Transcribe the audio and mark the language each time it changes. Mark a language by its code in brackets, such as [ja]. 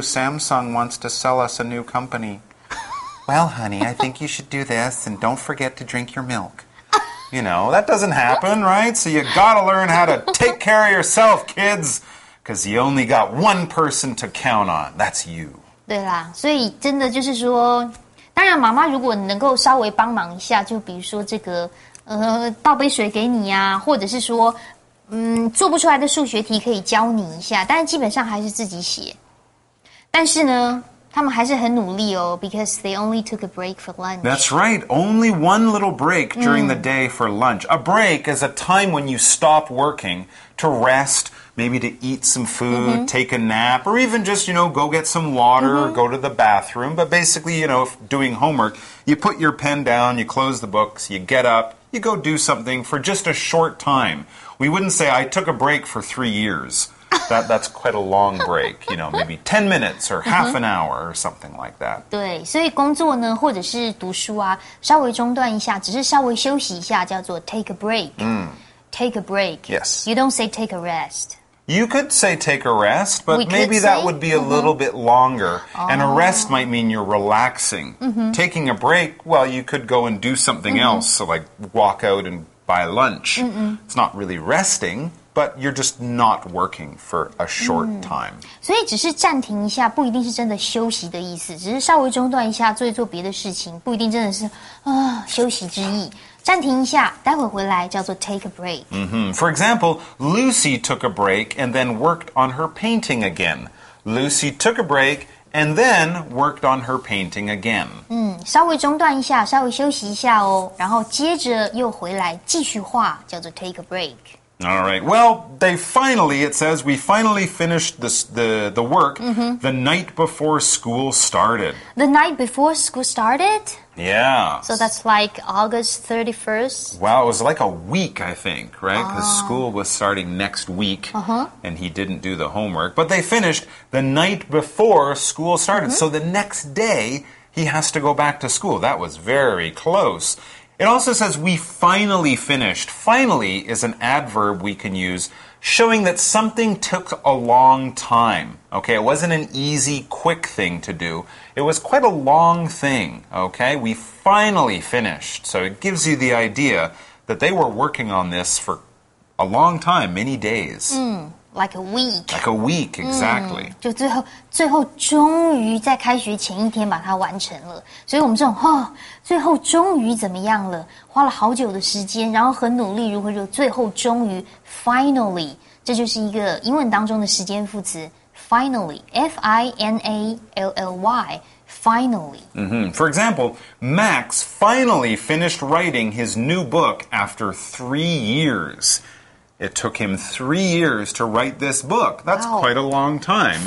[en] Samsung wants to sell us a new company. Well, honey, I think you should do this and don't forget to drink your milk. You know, that doesn't happen, right? So you got to learn how to take care of yourself, kids, because you only got one person to count on. That's you. [zh] 对啦，所以真的就是说，当然妈妈如果能够稍微帮忙一下，就比如说这个，倒杯水给你啊，或者是说，做不出来的数学题可以教你一下，但是基本上还是自己写。但是呢，他们还是很努力哦 [en] ，because they only took a break for lunch. That's right, only one little break during the day for lunch. A break is a time when you stop working to rest. Maybe to eat some food,、mm-hmm. take a nap, or even just, you know, go get some water,、mm-hmm. go to the bathroom. But basically, you know, if doing homework, you put your pen down, you close the books, you get up, you go do something for just a short time. We wouldn't say, I took a break for 3 years. That's quite a long break, you know, maybe 10 minutes or half an hour or something like that. [zh] 对，所以工作呢，或者是读书啊，稍微中断一下，只是稍微休息一下，叫做 [en] take a break.、 Mm. Take a break. Yes. You don't say take a rest. You could say take a rest, but maybe that would be a little bit longer. And a rest might mean you're relaxing. Taking a break, well, you could go and do something else, so like walk out and buy lunch. It's not really resting, but you're just not working for a short time. [zh] 所以只是暂停一下不一定是真的休息的意思，只是稍微中断一下做一做别的事情，不一定真的是休息之意。暂停一下，待会回来叫做 [en] take a break. Mm-hmm. For example, Lucy took a break and then worked on her painting again. Lucy took a break and then worked on her painting again. [zh] 稍微中断一下，稍微休息一下哦，然后接着又回来继续画，叫做 [en] take a break. All right. Well, they finally, it says, we finally finished the work the night before school started. The night before school started? Yeah. So that's like August 31st? Wow, it was like a week, I think, right? Because school was starting next week, and he didn't do the homework. But they finished the night before school started. So the next day, he has to go back to school. That was very close. It also says, we finally finished. Finally is an adverb we can use, showing that something took a long time. Okay, it wasn't an easy, quick thing to do. It was quite a long thing, okay? We finally finished. So it gives you the idea that they were working on this for a long time, many days. Like a week. Like a week, exactly. [zh] 就最后终于在开学前一天把它完成了。所以我们这种，最后终于怎么样了？花了好久的时间，然后很努力，如何就最后终于 finally. 这就是一个英文当中的时间副词。 [en] Finally, F-I-N-A-L-L-Y, finally. For example, Max finally finished writing his new book after 3 years. It took him 3 years to write this book. That's quite a long time.